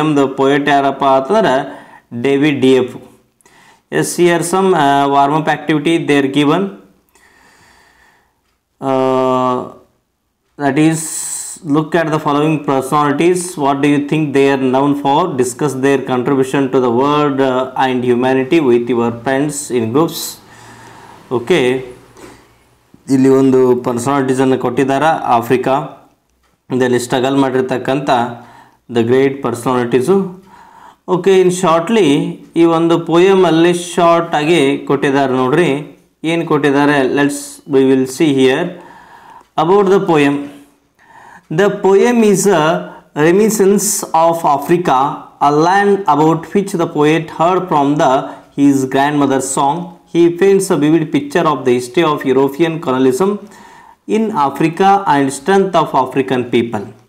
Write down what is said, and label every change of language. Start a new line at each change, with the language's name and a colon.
English: The poet is David Dioff. Yes, here are some warm up activity they are given. That is, look at the following personalities. What do you think they are known for? Discuss their contribution to the world and humanity with your friends in groups. Okay.
Kannada: ಇಲ್ಲಿ ಒಂದು personalities ಅನ್ನು ಕೊಟ್ಟಿದ್ದಾರೆ Africa ಇದರಲ್ಲಿ struggle ಮಾಡಿರ್ತಕ್ಕಂಥ the great ಪರ್ಸನಾಲಿಟೀಸು. Okay, in shortly ಈ ಒಂದು ಪೋಯಮಲ್ಲಿ short ಆಗಿ ಕೊಟ್ಟಿದ್ದಾರೆ ನೋಡ್ರಿ, ಏನು ಕೊಟ್ಟಿದ್ದಾರೆ.
English: Let's we will see hear about the poem. The poem is a reminiscence of Africa, a land about which the poet heard from his grandmother's song. He paints a vivid picture of the history of European colonialism in Africa and strength of African people.